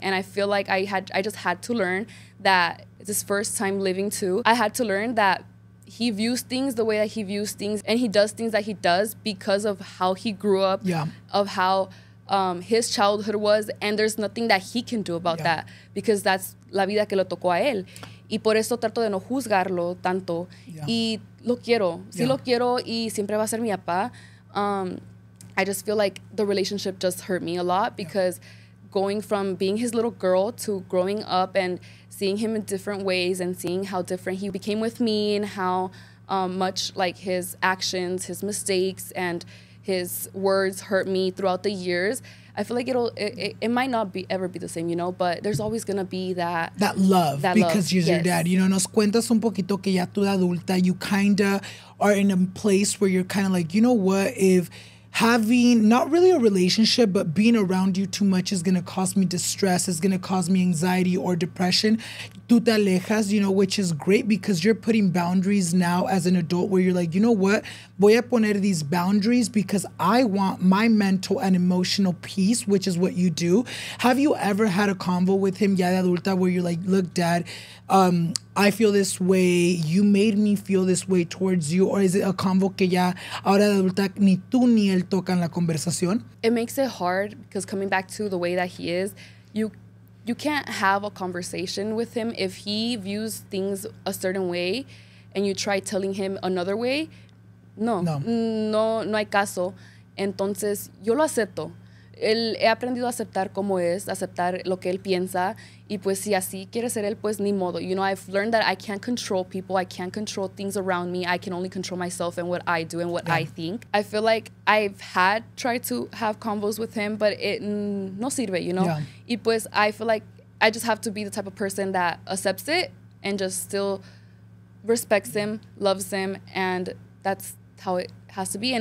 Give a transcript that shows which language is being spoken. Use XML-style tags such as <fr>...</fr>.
<en>And I feel like I just had to learn that this first time living too, I had to learn that he views things the way that he views things. And he does things that he does because of how he grew up, of how his childhood was. And there's nothing that he can do about that because that's</en> <es>la vida que lo tocó a él. Y por eso trato de no juzgarlo tanto. Y lo quiero. Sí lo quiero y siempre va a ser mi papá.</es> <en>I just feel like the relationship just hurt me a lot because going from being his little girl to growing up and seeing him in different ways and seeing how different he became with me and how much like his actions, his mistakes and his words hurt me throughout the years. I feel like it might not be ever be the same, you know, but there's always going to be that love because he's your dad. You know,</en> <es>nos cuentas un poquito que ya tú adulta,</es> <en>you kind of are in a place where you're kind of like, you know what, if having not really a relationship, but being around you too much is going to cause me distress, is going to cause me anxiety or depression.</en> <es>Tú te alejas,</es> <en>you know, which is great because you're putting boundaries now as an adult where you're like, you know what?</en> <es>Voy a poner</es> <en>these boundaries because I want my mental and emotional peace, which is what you do. Have you ever had a convo with him,</en> <es>ya de adulta,</es> <en>where you're like, look, dad, I feel this way. You made me feel this way towards you. Or is it a convo</en> <es>que ya ahora de adulta ni tú ni él tocan la conversación?</es> <en>It makes it hard because coming back to the way that he is, you you can't have a conversation with him if he views things a certain way and you try telling him another way.</en> <es>No hay caso. Entonces, yo lo acepto. Él, he aprendido a aceptar como es, aceptar lo que él piensa. Y pues si así quiere ser él, pues ni modo.</es> <en>You know, I've learned that I can't control people. I can't control things around me. I can only control myself and what I do and what I think. I feel like I've had tried to have convos with him, but it</en> <es>no sirve,</es> <en>you know? Yeah.</en> <es>Y pues</es> <en>I feel like I just have to be the type of person that accepts it and just still respects him, loves him, and that's how it has to be.</en>